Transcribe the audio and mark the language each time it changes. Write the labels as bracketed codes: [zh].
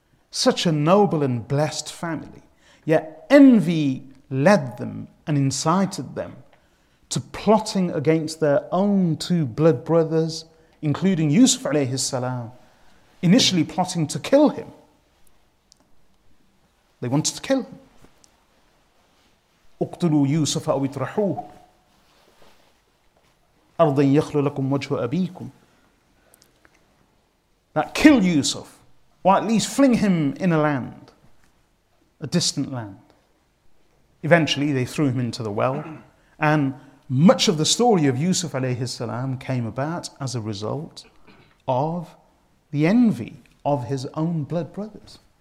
[en] Such a noble and blessed family. Yet envy led them and incited them to plotting against their own two blood brothers, including Yusuf alayhi salam, initially plotting to kill him. They wanted to kill him. [ar] اقتلوا يوسف أو اطرحوه أرضا يخلو لكم وجه أبيكم. [en] That kill Yusuf, or at least fling him in a land, a distant land. Eventually they threw him into the well, and much of the story of Yusuf alayhi salam came about as a result of the envy of his own blood brothers.